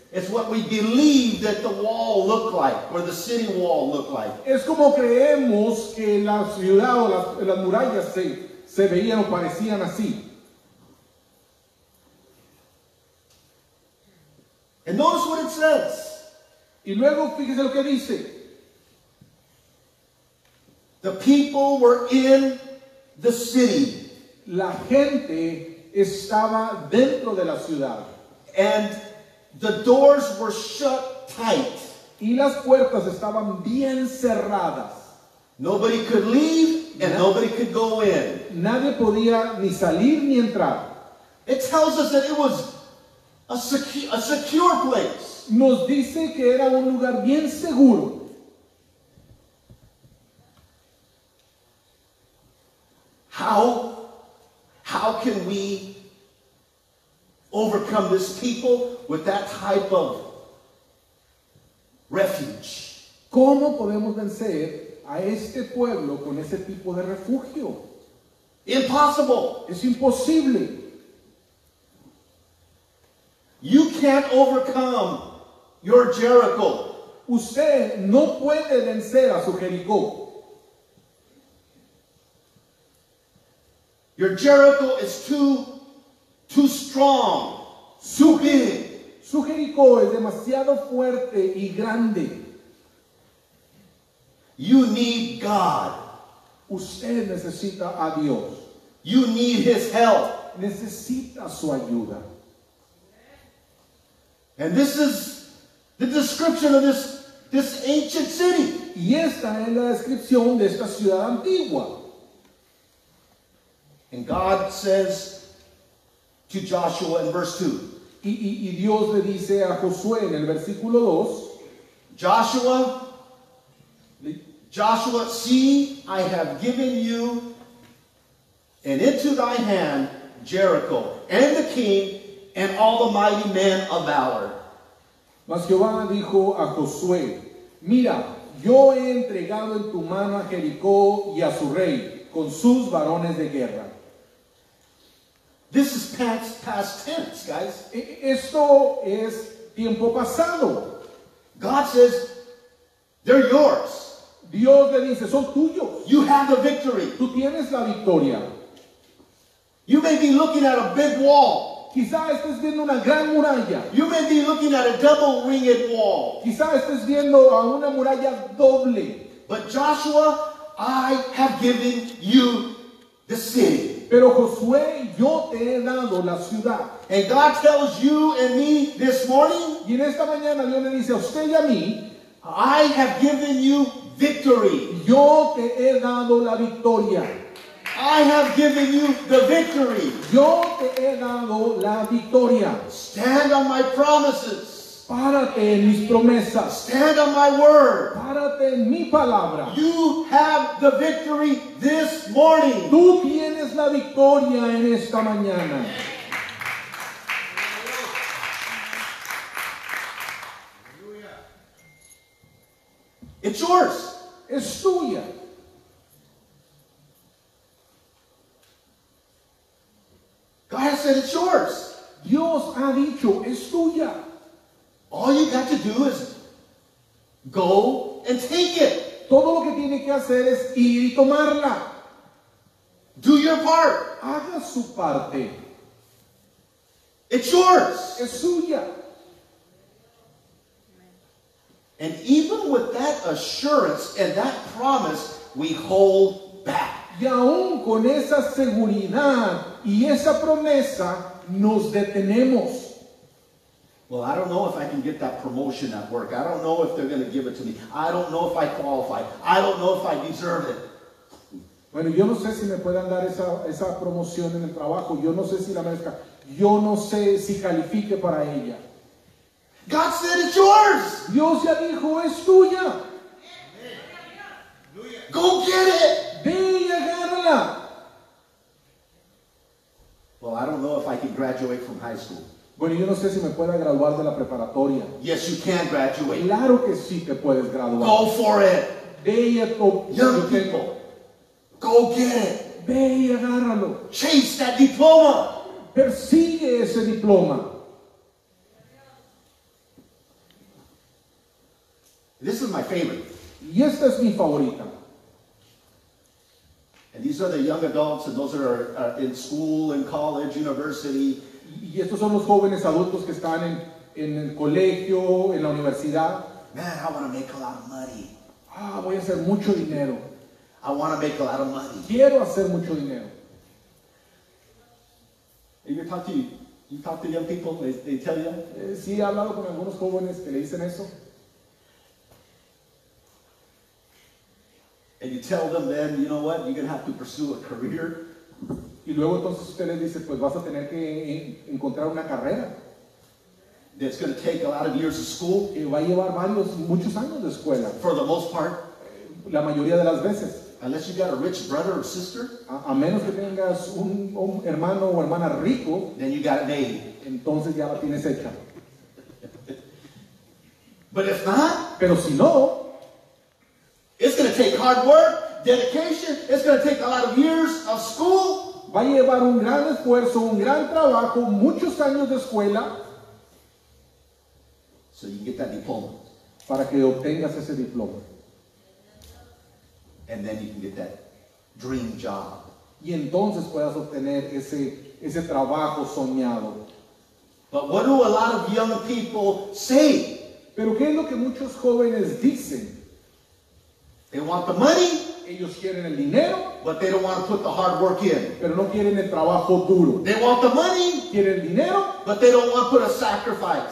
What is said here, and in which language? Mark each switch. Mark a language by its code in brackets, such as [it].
[en] It's what we believe that the wall looked like, or the city wall looked like. [es] Es como creemos que la ciudad o las murallas se veían o parecían así. [en] And notice what it says. [es] Y luego fíjese lo que dice. [en] The people were in the city. [es] La gente estaba dentro de la ciudad. [en] And the doors were shut tight. [es] Y las puertas estaban bien cerradas. [en] Nobody could leave and nobody could go in. [es] Nadie podía ni salir ni entrar. [en] It tells us that it was a secure place. [es] Nos dice que era un lugar bien seguro. [en] How can we overcome this people with that type of refuge? [es] ¿Cómo podemos vencer a este pueblo con ese tipo de refugio? [en] Impossible. [es] Es imposible. [en] You can't overcome your Jericho. [es] Usted no puede vencer a su Jericó. [en] Your Jericho is too strong. [es] Su big. Su Jericó es demasiado fuerte y grande. [en] You need God. [es] Usted necesita a Dios. [en] You need His help. [es] Necesita su ayuda. [en] And this is the description of this ancient city. [es] Y esta es la descripción de esta ciudad antigua. [en] And God says to Joshua in verse 2. [es] Y Dios le dice a Josué en el versículo 2. [en] Joshua, see, I have given you and into thy hand Jericho and the king and all the mighty men of valor. [es] Mas Jehová dijo a Josué, mira, yo he entregado en tu mano a Jericó y a su rey con sus varones de guerra. [en] This is past tense, guys. [es] Esto es tiempo pasado. [en] God says, they're yours. [es] Dios le dice, son tuyos. [en] You have the victory. [es] Tú tienes la victoria. [en] You may be looking at a big wall. [es] Quizá estés viendo una gran muralla. [en] You may be looking at a double ringed wall. [es] Quizá estés viendo a una muralla doble. [en] But Joshua, I have given you the city. [es] Pero Josué, yo te he dado la ciudad. [en] And God tells you and me this morning. [es] Y en esta mañana Dios le dice a usted y a mí, [en] I have given you victory. [es] Yo te he dado la victoria. [en] I have given you the victory. [es] Yo te he dado la victoria. [en] Stand on my promises. [es] Párate en mis promesas. [en] Stand on my word. [es] Párate en mi palabra. [en] You have the victory this morning. [es] Tú tienes la victoria en esta mañana. [en] It's yours. [es] Es tuya. [en] God has said it's yours. [es] Dios ha dicho, es tuya. [en] All you got to do is go and take it. [es] Todo lo que tiene que hacer es ir y tomarla. [en] Do your part. [es] Haga su parte. [en] It's yours. [es] Es tuya. [en] And even with that assurance and that promise, we hold back. [es] Y aún con esa seguridad y esa promesa, nos detenemos. [en] Well, I don't know if I can get that promotion at work. I don't know if they're going to give it to me. I don't know if I qualify. I don't know if I deserve it. [es] Bueno, yo no sé si me puedan dar esa promoción en el trabajo. Yo no sé si la merezca. Yo no sé si califique para ella. [en] God said it's yours. [es] Dios ya dijo, es tuya. [en] Go get it. [es] Ve y agárrala. [en] Well, I don't know if I can graduate from high school. [es] Bueno, yo no sé si me pueda graduar de la preparatoria. [en] Yes, you can graduate. [es] Claro que sí te puedes graduar. [en] Go for it. [es] Ve y [en] Young people, go get it. [es] Ve y agárralo. [en] Chase that diploma. [es] Persigue ese diploma. [en] This is my favorite. [es] Y esta es mi favorita. [en] And these are the young adults, and those are in school, in college, university. [es] Y estos son los jóvenes adultos que están en en el colegio, en la universidad. [en] Man, I want to make a lot of money. [es] Ah, voy a hacer mucho dinero. [en] I want to make a lot of money. [es] Quiero hacer mucho dinero. [en] If you talk to young people, they tell you. [es] Sí, he hablado con algunos jóvenes que le dicen eso. [en] And you tell them, then you know what? You're gonna have to pursue a career. [es] Y luego entonces usted les dice, pues vas a tener que encontrar una carrera. [en] That's gonna take a lot of years of school. [es] Y va a llevar varios, muchos años de escuela. [en] For the most part. [es] La mayoría de las veces. [en] Unless you got a rich brother or sister. [es] A menos que tengas un hermano o hermana rico. [en] Then you got a name. [es] Entonces ya la tienes hecha. [en] But if not. [es] Pero si no. [en] It's going to take hard work, dedication. It's going to take a lot of years of school. [es] Va a llevar un gran esfuerzo, un gran trabajo, muchos años de escuela. [en] So you get that diploma. [es] Para que obtengas ese diploma. [en] And then you can get that dream job. [es] Y entonces puedas obtener ese trabajo soñado. [en] But what do a lot of young people say? [es] Pero ¿qué es lo que muchos jóvenes dicen? [en] They want the money. [es] Ellos quieren el dinero. [en] But they don't want to put the hard work in. [es] Pero no quieren el trabajo duro. [en] They want the money. [es] Quieren dinero. [en] But they don't want to put a sacrifice.